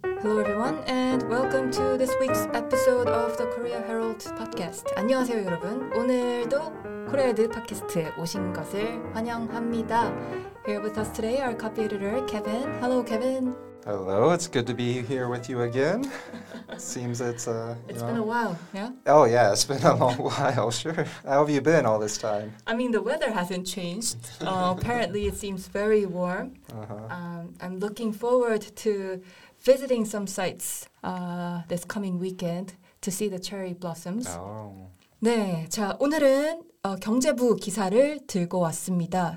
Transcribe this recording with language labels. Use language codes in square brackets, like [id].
[en] Hello everyone and welcome to this week's episode of the Korea Herald podcast. [ko] 안녕하세요 여러분. 오늘도 코레드 팟캐스트에 오신 것을 환영합니다. [en] Here with us today, our copy editor, Kevin. Hello, Kevin. Hello, it's good to be here with you again. Seems it's, It's been a while, yeah? Oh yeah, it's been a long while, sure. How have you been all this time? I mean, the weather hasn't changed. apparently, it seems very warm. Uh-huh. I'm looking forward to visiting some sites this coming weekend to see the cherry blossoms. Oh. [ko] 네, 자, 오늘은 경제부 기사를 들고 왔습니다.